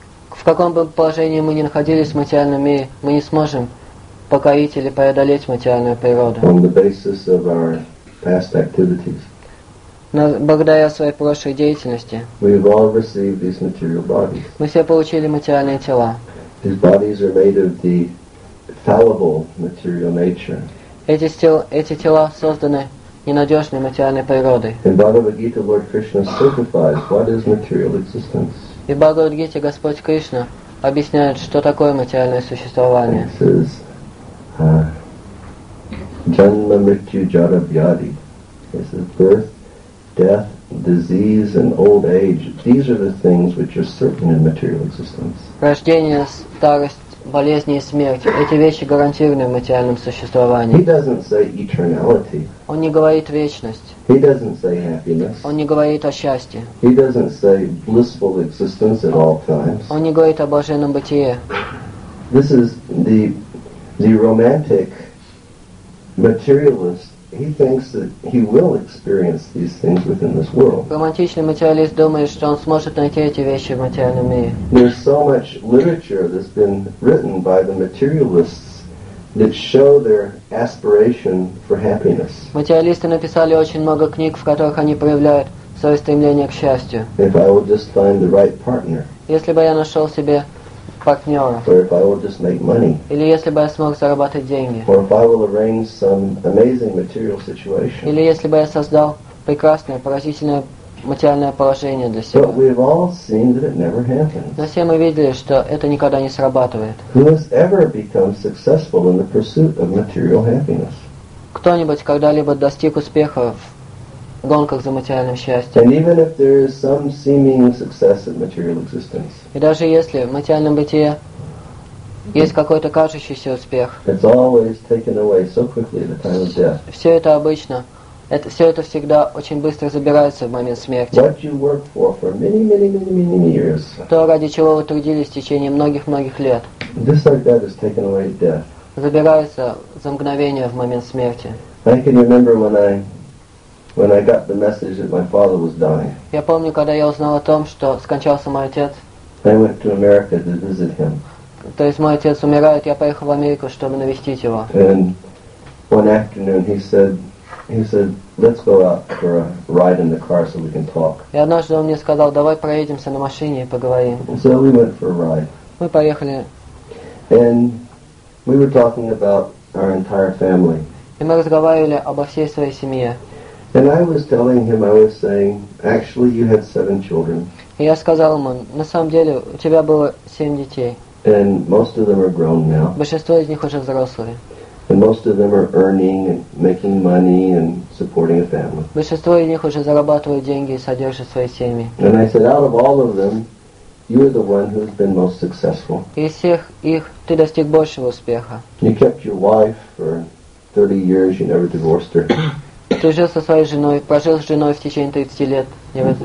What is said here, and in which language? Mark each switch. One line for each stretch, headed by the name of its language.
Russian: В каком бы положении мы ни находились в материальном мире, мы не сможем покорить или преодолеть материальную природу.
English: On the basis of our past activities.
Russian: Но благодаря своей прошлой деятельности.
English: We have all received these material bodies.
Russian: Мы все получили материальные тела.
English: These bodies are made of the fallible material nature.
Russian: Эти тела созданы ненадежной материальной природой.
English: In Bhagavad Gita, Lord Krishna certifies what is material existence.
Russian: И в Бхагавад Гите Господь Кришна объясняет, что такое материальное существование.
English: It says,
Sanskrit: "Janma mrityu jara vyadi."
English: It says, "Birth, death, disease, and old age. These are the things which are certain in material existence."
Russian: Рождение, старость, болезни и смерть. Эти вещи гарантированы в материальном существовании.
English: He doesn't say eternality.
Russian: Он не говорит вечность.
English: He doesn't say happiness.
Russian: Он не говорит о счастье.
English: He doesn't say blissful existence at all times.
Russian: Он не говорит о блаженном бытии.
English: This is the romantic materialist he thinks that he will experience these things within this world.
Russian: Романтичный материалист думает, что он сможет найти эти вещи в материальном мире.
English: There's so much literature that's been written by the materialists that show their aspiration for happiness.
Russian: Материалисты написали очень много книг, в которых они проявляют свое стремление к счастью.
English: If I would just find the right partner.
Russian: Если бы я нашел себе партнера.
English: Or if I would just make money.
Russian: Или если бы я смог зарабатывать деньги.
English: Or if I will arrange some amazing material situation.
Russian: Или если бы я создал прекрасное, поразительное материальное положение для себя.
English: But we've all seen that it never happens.
Russian: Но все мы видели, что это никогда не срабатывает.
English: Who has ever become successful in the pursuit of material happiness?
Russian: Кто-нибудь когда-либо достиг успеха в гонках за материальным счастьем?
English: And even if there is some seeming success in material existence.
Russian: И даже если в материальном бытии есть какой-то кажущийся успех.
English: It's always taken away so quickly at the time of death.
Russian: Все это обычно. Это все это всегда очень быстро забирается в момент смерти.
English: What you worked for many years.
Russian: То, ради чего вы трудились в течение многих лет.
English: This like that is taken away at death.
Russian: Забирается за мгновение в момент смерти.
English: I can remember when I got the message that my father was dying.
Russian: Я помню, когда я узнал о том, что скончался мой отец.
English: I went to America to visit him.
Russian: То есть мой отец умирает, я поехал в Америку, чтобы навестить его.
English: And one afternoon he said, let's go out for a ride in the car so we can talk.
Russian: И однажды он мне сказал, давай проедемся на машине и поговорим.
English: So we went for a ride.
Russian: Мы поехали.
English: And we were talking about our entire family.
Russian: И мы разговаривали обо всей своей семье.
English: And I was telling him, I was saying, actually, you had 7 children.
Russian: И я сказал ему, на самом деле, у тебя было 7 детей.
English: And most of them are grown now.
Russian: Большинство из них уже взрослые.
English: And most of them are earning and making money and supporting a family.
Russian: Большинство из них уже зарабатывают деньги и содержат свои семьи.
English: And I said, out of all of them, you are the one who has been most successful.
Russian: Из всех их ты достиг большего успеха.
English: You kept your wife for 30 years, you never divorced her.
Russian: Ты жил со своей женой, прожил с женой в течение 30 лет, не